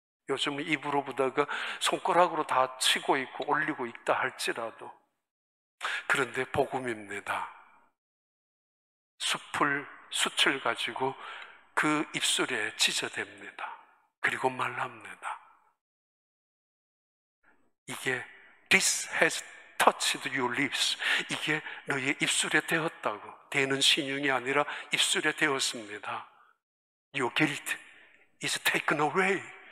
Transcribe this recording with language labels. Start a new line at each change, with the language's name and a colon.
Korean: 요즘은 입으로보다가 손가락으로 다 치고 있고 올리고 있다 할지라도. 그런데 복음입니다. 숯을 가지고 그 입술에 찢어댑니다. 그리고 말합니다.
English: 이게 This has touched your lips.
Korean: 이게 너의 입술에 되었다고. 대는 신용이 아니라 입술에 되었습니다.
English: Your guilt is taken away.